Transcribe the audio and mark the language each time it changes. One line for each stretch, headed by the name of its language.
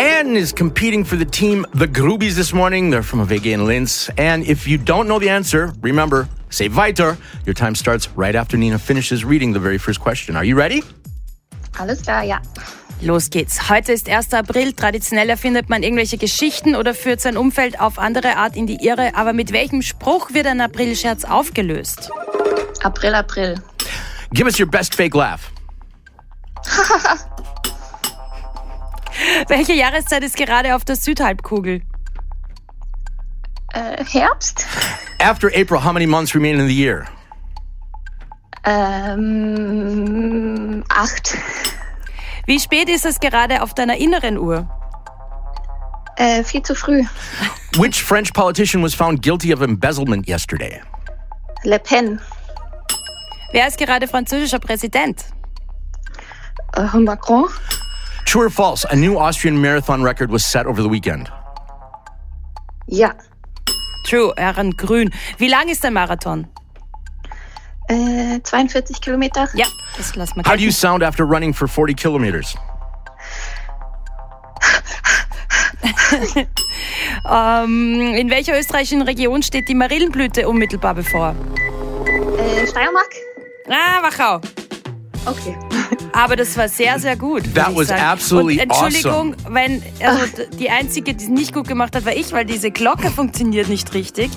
English: Is competing for the team The Groobies this morning. They're from Vega and Linz. And if you don't know the answer, remember, say weiter. Your time starts right after Nina finishes reading the very first question. Are you ready?
German: Alles klar, ja. Los geht's. Heute ist 1. April. Traditionell erfindet man irgendwelche Geschichten oder führt sein Umfeld auf andere Art in die Irre. Aber mit welchem Spruch wird ein April-Scherz aufgelöst? April, April.
English: Give us your best fake laugh.
German: Welche Jahreszeit ist gerade auf der Südhalbkugel? Herbst.
English: After April, how many months remain in the year?
German: Acht. Wie spät ist es gerade auf deiner inneren Uhr? Viel zu früh.
English: Which French politician was found guilty of embezzlement yesterday?
German: Le Pen. Wer ist gerade französischer Präsident? Macron.
English: True or false, a new Austrian marathon record was set over the weekend.
German: Ja.
English: True,
German: Herrn Grün. Wie lang ist der Marathon? 42 Kilometer. Ja, das lassen wir.
English: How do you sound after running for 40 kilometers?
German: In welcher österreichischen Region steht die Marillenblüte unmittelbar bevor? Steiermark. Ah, Wachau. Okay. Aber das war sehr, sehr gut.
English: That was absolutely awesome.
German: Entschuldigung, wenn also die Einzige, die es nicht gut gemacht hat, war ich, weil diese Glocke funktioniert nicht richtig.